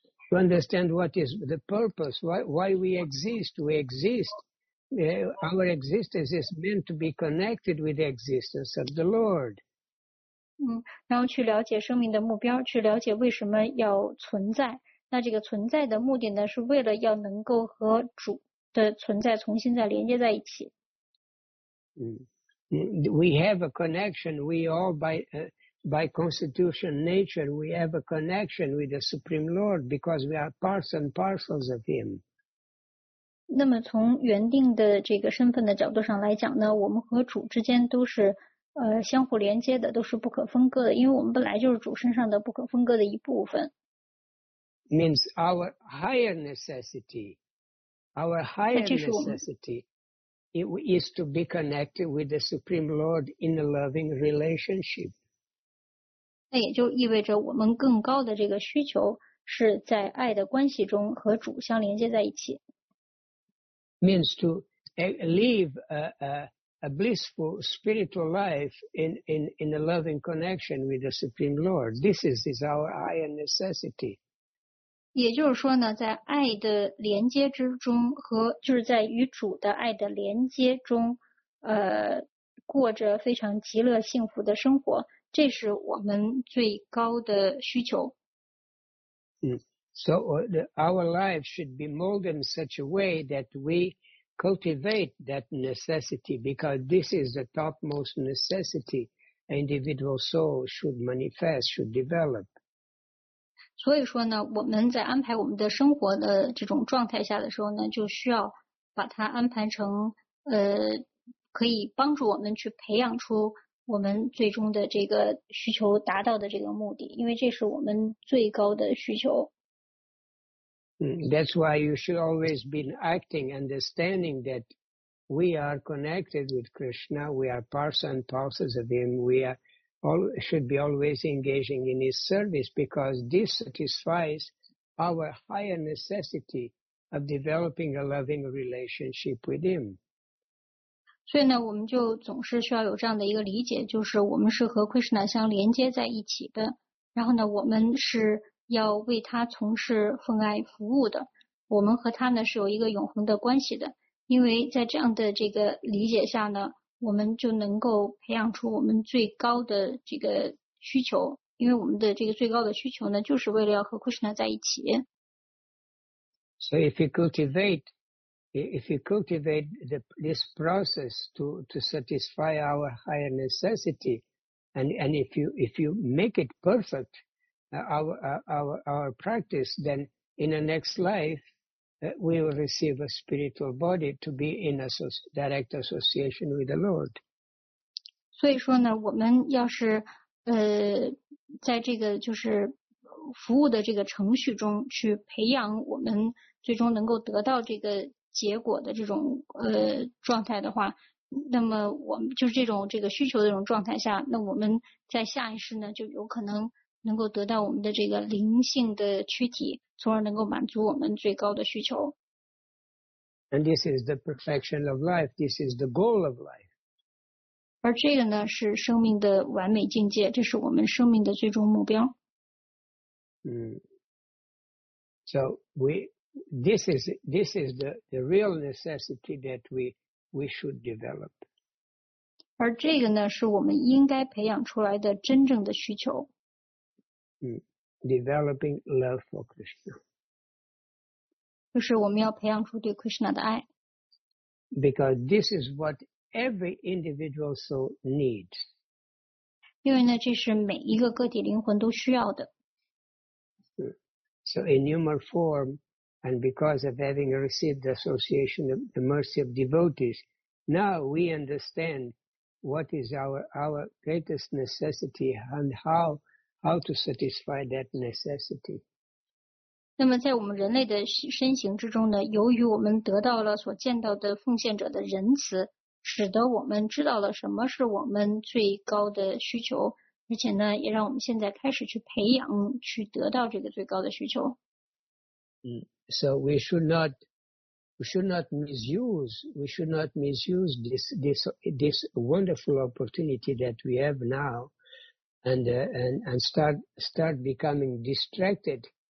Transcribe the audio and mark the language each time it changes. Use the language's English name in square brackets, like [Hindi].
[English] You understand what is the purpose, why we exist. We exist. Our existence is meant to be connected with the existence of the Lord. [Chinese] 然后去了解生命的目标，去了解为什么要存在。那这个存在的目的呢，是为了要能够和主的存在重新再连接在一起。 [English] We have a connection. We all by constitution, nature, we have a connection with the Supreme Lord because we are parts and parcels of Him. [Chinese] 那么从原定的这个身份的角度上来讲呢，我们和主之间都是相互连接的，都是不可分割的，因为我们本来就是主身上的不可分割的一部分。 [English] Means our higher necessity, our higher necessity is to be connected with the Supreme Lord in a loving relationship. [Chinese] 那也就意味着我们更高的这个需求是在爱的关系中和主相连接在一起。 [English] Means to live a blissful spiritual life in a loving connection with the Supreme Lord. This is our higher necessity. [Chinese] 也就是说呢，在爱的连接之中和就是在与主的爱的连接中，过着非常极乐幸福的生活，这是我们最高的需求。 [English] So our life should be molded in such a way that we cultivate that necessity because this is the topmost necessity an individual soul should manifest, should develop. [Chinese] 所以说呢，我们在安排我们的生活的这种状态下的时候呢，就需要把它安排成可以帮助我们去培养出我们最终的这个需求达到的这个目的，因为这是我们最高的需求。 [English] That's why you should always be acting, understanding that we are connected with Krishna, we are parts and parcels of Him, should be always engaging in His service because this satisfies our higher necessity of developing a loving relationship with Him. [Chinese] 所以呢，我们就总是需要有这样的一个理解，就是我们是和 Krishna 相连接在一起的。然后呢，我们是要为他从事奉爱服务的。我们和他呢是有一个永恒的关系的。因为在这样的这个理解下呢。我们就能够培养出我们最高的这个需求，因为我们的这个最高的需求呢，就是为了要和 Krishna 在一起。 [English] So if you cultivate this process to satisfy our higher necessity, and if you make it perfect, our practice, then in the next life. We will receive a spiritual body to be in direct association with the Lord. [Chinese] 所以说呢，我们要是在这个就是服务的这个程序中去培养我们最终能够得到这个结果的这种状态的话，那么我们就是这种这个需求的这种状态下，那我们在下一世呢就有可能。能够得到我们的这个灵性的躯体，从而能够满足我们最高的需求。 [English] And this is the perfection of life. This is the goal of life. [Chinese] 而这个呢，是生命的完美境界，这是我们生命的最终目标。 [English] So this is the real necessity that we should develop. [Chinese] 而这个呢，是我们应该培养出来的真正的需求。 [English] Developing love for Krishna. [Chinese] 就是我们要培养出对 Krishna 的爱。 [English] Because this is what every individual soul needs. [Chinese] 因为呢，这是每一个个体灵魂都需要的。 [English] So in human form, and because of having received the association of the mercy of devotees, now we understand what is our greatest necessity and how to satisfy that necessity. [Chinese] 那么在我们人类的身形之中呢，由于我们得到了所见到的奉献者的仁慈，使得我们知道了什么是我们最高的需求，而且呢，也让我们现在开始去培养，去得到这个最高的需求。 [English] So we should not misuse this wonderful opportunity that we have now. And start becoming distracted